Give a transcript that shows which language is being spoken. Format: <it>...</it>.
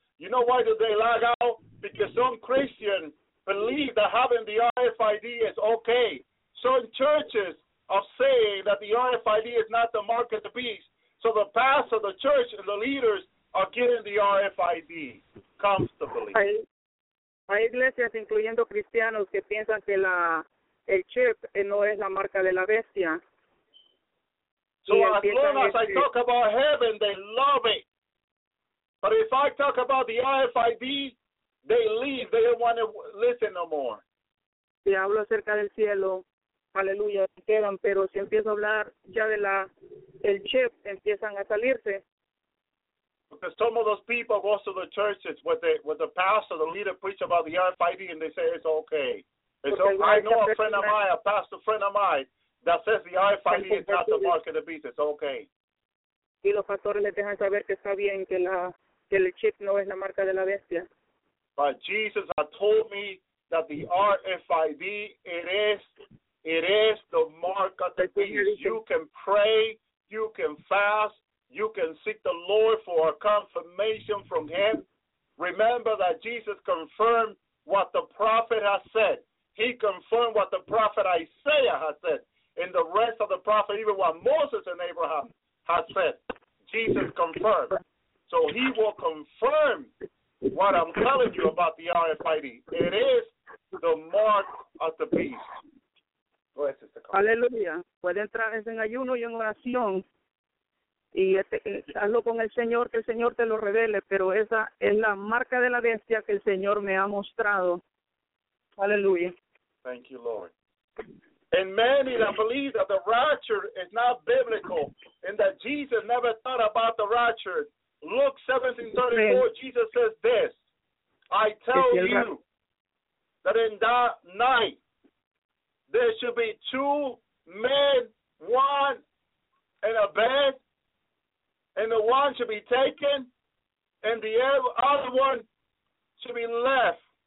<en>You know why do they lag out? Because some Christians believe that having the RFID is okay. Some churches are saying that the RFID is not the mark of the beast. So the pastor, the church, and the leaders are getting the RFID comfortably.</en> <es>Hay iglesias, incluyendo cristianos, que piensan que el chip no es la marca de la bestia.</es> <en>So as long as I talk about heaven, they love it. But if I talk about the RFID, they leave. They don't want to listen no more.</en> <es>Si hablo acerca del cielo, aleluya, se quedan. Pero si empiezo a hablar ya de el chip, empiezan a salirse.</es> <en>Because some of those people go to the churches with the pastor, the leader, preach about the RFID, and they say it's okay. And so I know a friend of mine, a pastor friend of mine, that says the RFID is not the mark of the beast. It's okay.</en> <es>Y los pastores les dejan saber que está bien, que el chip no es la marca de la bestia.</es> <en>But Jesus has told me that the RFID, it is the mark of the beast. You can pray, you can fast, you can seek the Lord for a confirmation from him. Remember that Jesus confirmed what the prophet has said. He confirmed what the prophet Isaiah has said. And the rest of the prophet, even what Moses and Abraham has said. Jesus confirmed. So he will confirm what I'm telling you about the RFID. It is the mark of the beast.</en> <es>Aleluya. Puede entrar en ayuno y en oración. Y hazlo con el Señor, que el Señor te lo revele. Pero esa es la marca de la bestia que el Señor me ha mostrado. Aleluya.</es> <en>Thank you, Lord. And many that believe that the rapture is not biblical and that Jesus never thought about the rapture. Luke 17:34, Jesus says this, I tell you that in that night there should be two men, one in a bed, and the one should be taken, and the other one should be left.</en>